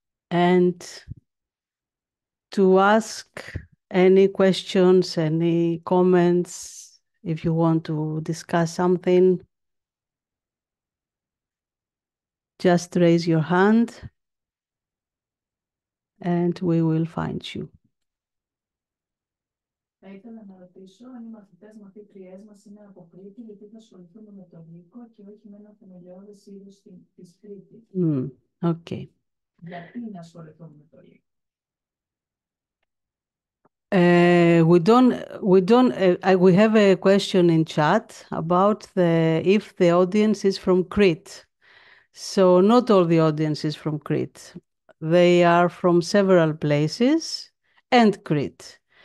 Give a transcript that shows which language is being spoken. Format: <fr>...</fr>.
<en>and to ask any questions, any comments, if you want to discuss something, just raise your hand and we will find you.</en> <el>Θα ήθελα να ρωτήσω αν οι μαθητές μαθήτριές μας είναι από Κρήτη, γιατί θα ασχοληθούμε με τον Νίκο και όχι με ένα θεμελιώδες είδος της Κρήτης.</el> <en>Okay.</en> <el>Γιατί να ασχοληθούμε με τον Νίκο?</el> <en>We have a question in chat about the if the audience is from Crete. So not all the audience is from Crete. They are from several places and Crete.</en>